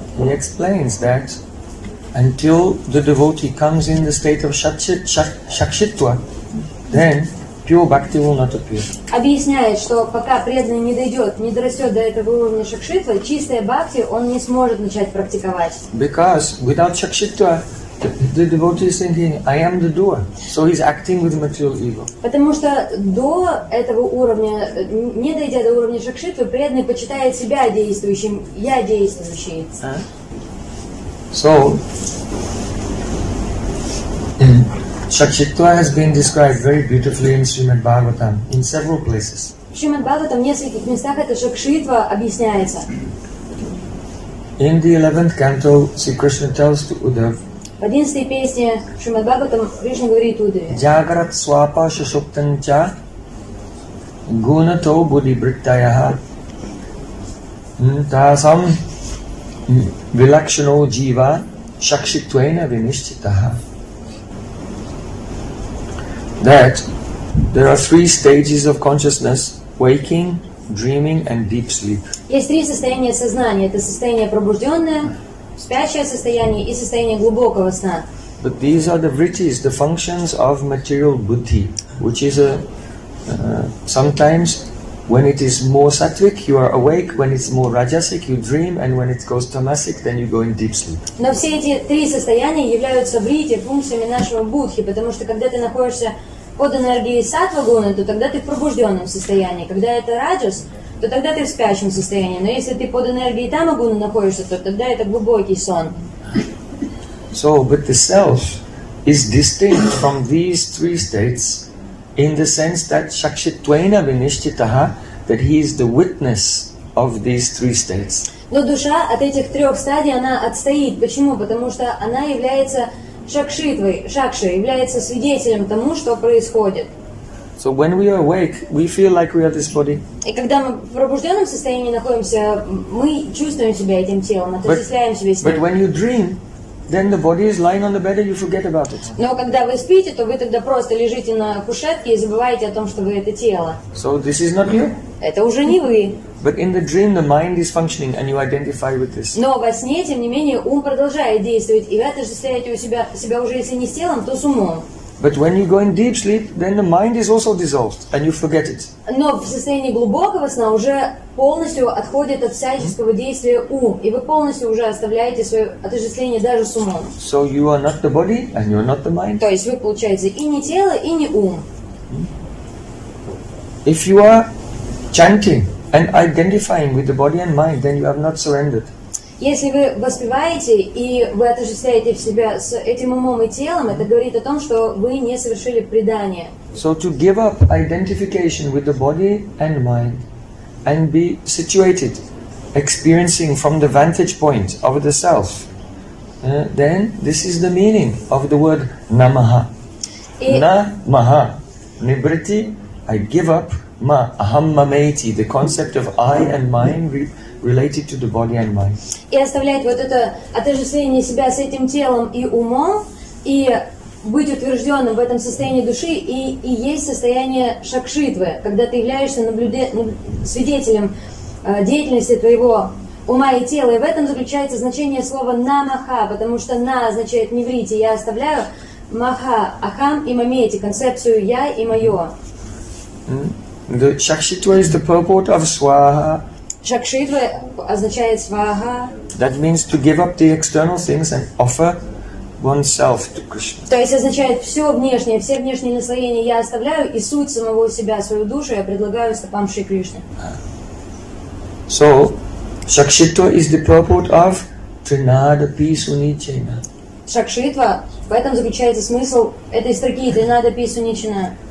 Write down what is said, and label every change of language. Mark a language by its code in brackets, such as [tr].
[en] He explains that until the devotee comes in the state of Shakshitva, then pure bhakti will not appear. [ru] Объясняет, что пока преданный не дойдет, не дорастет до этого уровня Шакшитва, чистая бхакти, он не сможет начать практиковать. [en] Because without Шакшитва, the devotee is thinking, I am the doer. So he's acting with material ego. [ru] Потому что до этого уровня, не дойдя до уровня Шакшитвы, преданный почитает себя действующим, я действующий. [en] So, Шакшитва has been described very beautifully in Srimad Bhagavatam, in several places. [ru] В Шримад Бхагаватам в нескольких местах эта Шакшитва объясняется. [en] In the 11th canto, Sri Krishna tells to Uddhava, [ru] в 11-й песне Шримад Бхагаватам Кришна говорит Удаве. [sa] Джаграт свапа шушуптанча гунато буди бриттаяха тасам вилакшано джива шакшитвена винишчитаха. [en] That there are three stages of consciousness: waking, dreaming and deep sleep. [ru] Есть три состояния сознания. Это состояние пробужденное, спящее состояние и состояние глубокого сна. [en] But these are the vrittis, the functions of material buddhi, which is sometimes when it is more sattvic, you are awake, when it's more rajasic, you dream, and when it goes tamasic, then you go in deep sleep. [ru] Но все эти три состояния являются vritti, функциями нашего будхи, потому что когда ты находишься под энергией саттва гуны, то тогда ты в пробужденном состоянии, когда это раджас, то тогда ты в спящем состоянии. Но если ты под энергией тамагуны находишься, то тогда это глубокий сон. [en] So, but the self is distinct from these three states in the sense that [sa] shakshitvena vinishchitaha, [en] that he is the witness of these three states. [ru] Но душа от этих трех стадий, она отстоит. Почему? Потому что она является шакшитвой, шакша является свидетелем тому, что происходит. [en] So when we are awake, we feel like we are this body. [ru] И когда мы в пробужденном состоянии находимся, мы чувствуем себя этим телом, отождествляем себя с ним. [en] But when you dream, then the body is lying on the bed and you forget about it. [ru] Но когда вы спите, то вы тогда просто лежите на кушетке и забываете о том, что вы это тело. [en] So this is not you. [ru] Это уже не вы. [en] But in the dream, the mind is functioning and you identify with this. [ru] Но во сне, тем не менее, ум продолжает действовать, и вы отождествляете себя уже если не с телом, то с умом. [en] But when you go in deep sleep, then the mind is also dissolved, and you forget it. [ru] Но в состоянии глубокого сна уже полностью отходит от всяческого действия ум, и вы полностью уже оставляете свое отождествление даже с умом. [en] So you are not the body, and you are not the mind. [ru] То есть вы получаете и не тело, и не ум. [en] If you are chanting and identifying with the body and mind, then you have not surrendered. [ru] Если вы воспеваете и вы отождествляете в себя с этим умом и телом, это говорит о том, что вы не совершили предание. [en] So to give up identification with the body and mind and be situated, experiencing from the vantage point of the self, then this is the meaning of the word namaha. Namaha. Nibriti, I give up. [sa] Ma, aham mameti, [en] the concept of I and mine related to the body and mind. [ru] И оставлять вот это отождествление себя с этим телом и умом, и быть утвержденным в этом состоянии души, и есть состояние шакшитвы, когда ты являешься свидетелем деятельности твоего ума и тела. И в этом заключается значение слова намаха, потому что на означает неврити, я оставляю маха, ахам и мамети, концепцию я и мое. [en] The Shakshitva is the purport of Swaha. [ru] Shakshitva означает Swaha. [en] That means to give up the external things and offer oneself to Krishna. [ru] То есть означает все внешние наслоения я оставляю и суть самого себя, свою душу я предлагаю стопам Шри Кришны. [en] So, Shakshitva is the purport of Trinada Pisunichena. [ru] Шакшитва, в этом заключается смысл этой строки Тринада Писуничена.